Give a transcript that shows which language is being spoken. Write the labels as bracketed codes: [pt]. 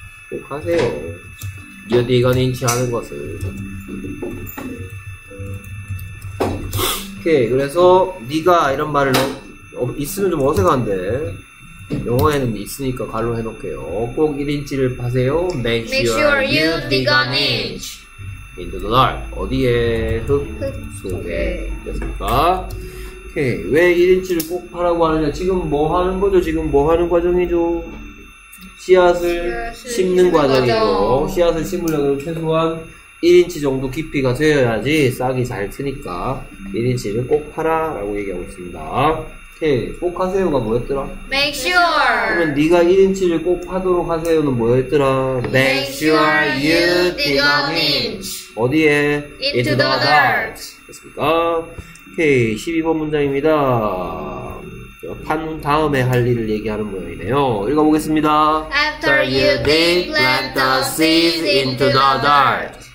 [ko] 꼭 하세요. [en] You dig an inch [ko] 하는 것을. 오케이. 그래서, 니가 이런 말을 있으면 좀 어색한데. 영어에는 있으니까 갈로 해놓을게요. 꼭 1인치를 파세요. [en] Make sure, make sure you dig an inch. Into the dark. [ko] 어디에? 흙 속에. 됐습니까? 오케이. 왜 1인치를 꼭 파라고 하느냐? 지금 뭐 하는 거죠? 지금 뭐 하는 과정이죠? 씨앗을 심는 과정이고, 과정. 씨앗을 심으려면 최소한 1인치 정도 깊이가 되어야지 싹이 잘 트니까 1인치를 꼭 파라 라고 얘기하고 있습니다. 오케이. 꼭 하세요가 뭐였더라? [en] Make sure. [ko] 그러면 네가 1인치를 꼭 파도록 하세요는 뭐였더라? [en] Make sure you dig an inch. [ko] 어디에? [en] Into the dirt. [ko] 됐습니까? 오케이. 12번 문장입니다. 판 다음에 할 일을 얘기하는 모양이네요. 읽어보겠습니다. [en] After you did plant the seeds into the dirt.